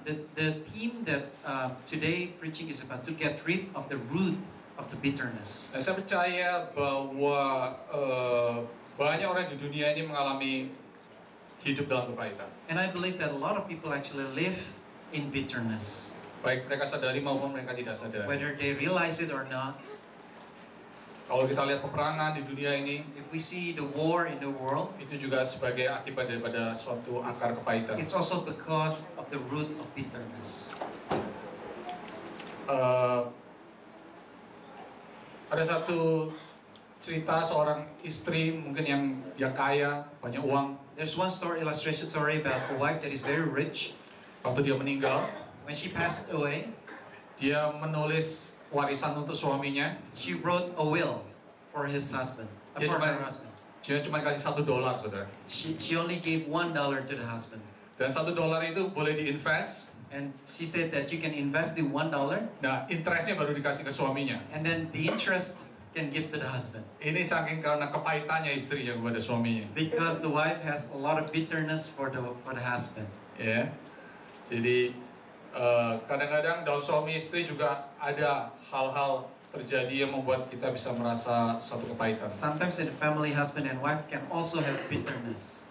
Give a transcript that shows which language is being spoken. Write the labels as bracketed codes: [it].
[en] The theme that today preaching is about to get rid of the root of the bitterness. [id] Nah, saya percaya bahwa banyak orang di dunia ini mengalami hidup dalam kepahitan. [en] And I believe that a lot of people actually live in bitterness. [id] Baik mereka sadari maupun mereka tidak sadar. [en] Whether they realize it or not. [id] Kalau kita lihat peperangan di dunia ini, [en] if we see the war in the world, [id] itu juga sebagai akibat daripada suatu akar kepahitan. [en] It's also because of the root of bitterness. [id] Ada satu cerita seorang istri mungkin yang dia kaya, banyak uang. [en] There's one story illustration story about a wife that is very rich. [id] Waktu dia meninggal, [en] when she passed away, [id] dia menulis warisan untuk suaminya. [en] She wrote a will for his husband. [id] Dia [en] for her husband. [id] Dia cuma kasih $1, saudara. [en] She only gave $1 to the husband. [id] Dan $1 itu boleh diinvest. [en] And she said that you can invest the $1. [id] Nah, interestnya baru dikasih ke suaminya. [en] And then the interest can give to the husband. [id] Ini saking karena kepahitannya istrinya kepada suaminya. [en] Because the wife has a lot of bitterness for the husband. Yeah. [id] Jadi kadang-kadang dalam suami istri juga ada hal-hal terjadi yang membuat kita bisa merasa satu kepahitan. [en] Sometimes in the family, husband and wife can also have bitterness.